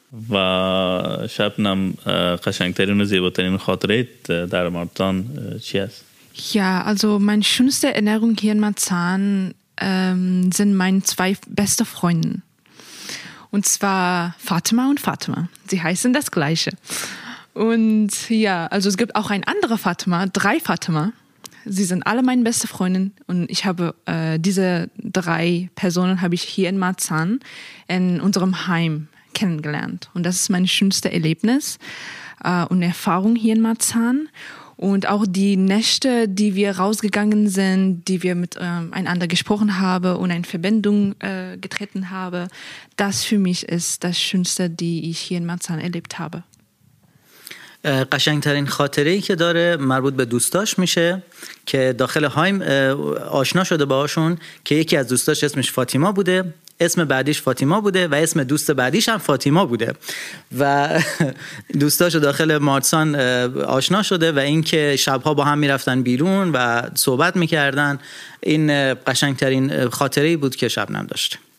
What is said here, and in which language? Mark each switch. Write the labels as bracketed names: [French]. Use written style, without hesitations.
[Persian] و شبنم قشنگترین و زیباترین خاطره در مارتان چی است؟ [German] Ja, also mein schönste Erinnerung hier in Marzahn sind meine zwei beste Freunde. Und zwar Fatima und Fatima. Sie heißen das Gleiche. Und ja, also es gibt auch ein anderer Fatima, drei Fatima. Sie sind alle meine beste Freundin. Und ich habe diese drei Personen habe ich hier in Marzahn in unserem Heim kennengelernt. Und das ist mein schönstes Erlebnis und Erfahrung hier in Marzahn. Und auch die Nächte, die wir rausgegangen sind, die wir mit einander gesprochen haben und eine Verbindung getreten haben, das für mich ist das Schönste, die ich hier in Marzahn erlebt habe. [Persian] قشنگترین خاطره‌ای که داره مربوط به دوستاش میشه که داخل هایم آشنا شده باهاشون که یکی از دوستاش اسمش فاطیما بوده اسم بعدیش فاطیما بوده و اسم دوست بعدیش هم فاطیما بوده و دوستاش داخل مارتسان آشنا شده و اینکه شبها با هم میرفتن بیرون و صحبت میکردن این قشنگترین خاطره بود که شبنم داشت.